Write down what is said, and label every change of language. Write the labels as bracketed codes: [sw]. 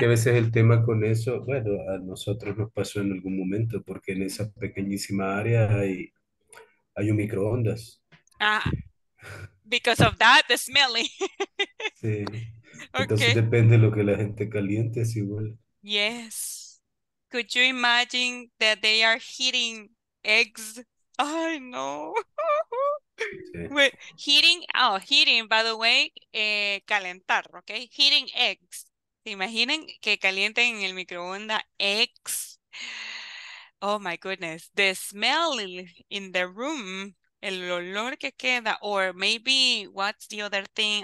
[es] Que a veces el tema con eso, bueno, a nosotros nos pasó en algún momento, porque en esa pequeñísima área hay un microondas. [en] Ah, because of that, the smelly. [es] Sí. Entonces okay. Depende de lo que la gente caliente, es igual. [en] Yes. Could you imagine that they are heating eggs? [es] Ay, no. [en] Sí. Heating, by the way, [es] calentar, [en] okay? Heating eggs. [es] ¿Se imaginan que calienten en el microondas eggs? [en] Oh, my goodness. The smell in the room, [es] el olor que queda, [en] or maybe what's the other thing?